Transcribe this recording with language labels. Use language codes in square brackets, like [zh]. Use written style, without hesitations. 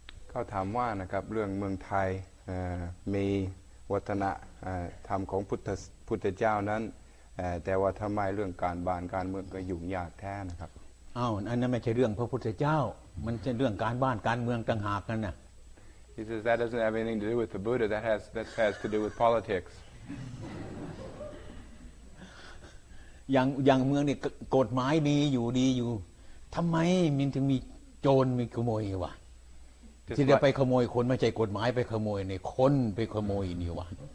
[th] เขาถามว่านะครับเรื่องเมืองไทยมีวัฒนธรรมของพุทธเจ้านั้นแต่ว่าทำไมเรื่องการบ้านการเมืองก็ยุ่งยากแท้นะครับ อ้าวอันนั้นไม่ใช่เรื่องพระพุทธเจ้ามันเป็นเรื่องการบ้านการเมืองต่างหากนั่นน่ะ [en] He says that doesn't have anything to do with the Buddha that has to do with politics [th] อย่างเมืองนี่กฎหมายมีอยู่ดีอยู่ทำไมมันถึงมีโจรมีขโมยวะที่จะไปขโมยคนไม่ใช่กฎหมายไปขโมยในคนไปขโมยนี่วะ